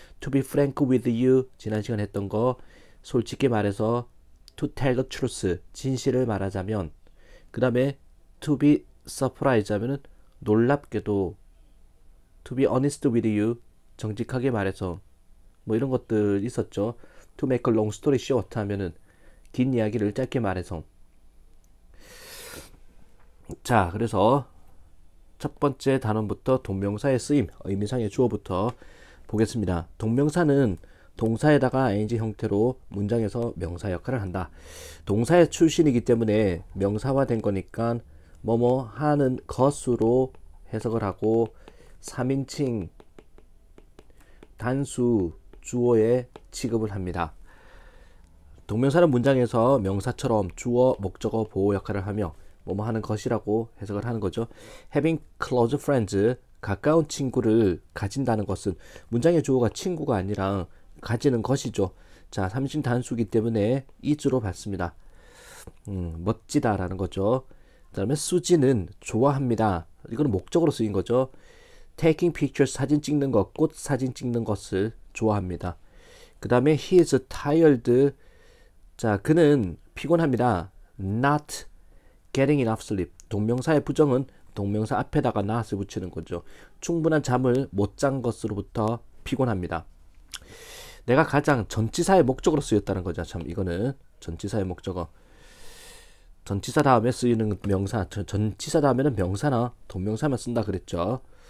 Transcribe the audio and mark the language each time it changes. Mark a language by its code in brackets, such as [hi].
[en] To be frank with you, [ko] 지난 시간에 했던 거, 솔직히 말해서, [en] to tell the truth, [ko] 진실을 말하자면, 그 다음에 [en] to be surprised [ko] 하면은 놀랍게도, [en] to be honest with you, [ko] 정직하게 말해서, 뭐 이런 것들 있었죠. [en] To make a long story short [ko] 하면은 긴 이야기를 짧게 말해서. 자, 그래서 첫 번째 단원부터 동명사의 쓰임, 의미상의 주어부터 보겠습니다. 동명사는 동사에다가 ing 형태로 문장에서 명사 역할을 한다. 동사의 출신이기 때문에 명사화된 거니까 뭐뭐 하는 것으로 해석을 하고, 3인칭 단수 주어에 취급을 합니다. 동명사는 문장에서 명사처럼 주어, 목적어, 보어 역할을 하며 뭐뭐 하는 것이라고 해석을 하는 거죠. [en] Having close friends, [ko] 가까운 친구를 가진다는 것은 문장의 주어가 친구가 아니라 가지는 것이죠. 자, 3인칭 단수이기 때문에 is로 받습니다. 멋지다라는 거죠. 그다음에 수지는 좋아합니다. 이거는 목적으로 쓰인 거죠. [en] Taking pictures, [ko] 사진 찍는 것, 꽃 사진 찍는 것을 좋아합니다. 그다음에 [en] he is tired. [ko] 자, 그는 피곤합니다. [en] Not getting enough sleep. [ko] 동명사의 부정은 동명사 앞에다가 not을 붙이는 거죠. 충분한 잠을 못잔 것으로부터 피곤합니다. 내가 가장 전치사의 목적으로 쓰였다는 거죠. 참, 이거는 전치사의 목적어. 전치사 다음에 쓰이는 명사. 전치사 다음에는 명사나 동명사만 쓴다 그랬죠.